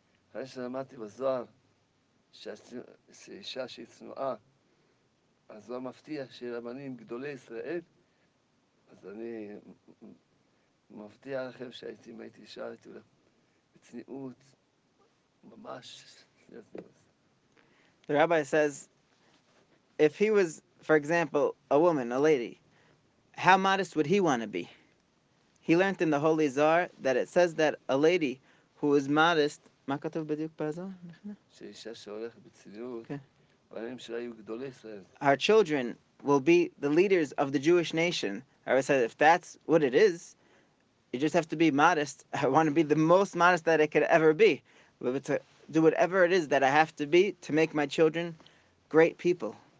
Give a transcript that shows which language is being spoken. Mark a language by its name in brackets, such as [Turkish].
[Hebrew] אחרי שלמדתי בזוהר שאישה שהיא צנועה אז לא מפתיע שרבנים גדולי ישראל אז אני מפתיע לכם שהייתי, אם הייתי אישה הייתי אולי בצניעות ממש [English] The rabbi says if he was, for example, a woman, a lady how modest would he want to be? He learned in the Holy Zohar that it says that a lady who is modest [Hebrew] מה כתוב בדיוק בזה? שאישה שהולכת בצניעות, בנים שלה יהיו גדולי ישראל. [English] Our children will be the leaders of the Jewish nation. I would say, if that's what it is, you just have to be modest. I want to be the most modest that I could ever be. But to do whatever it is that I have to be to make my children great people.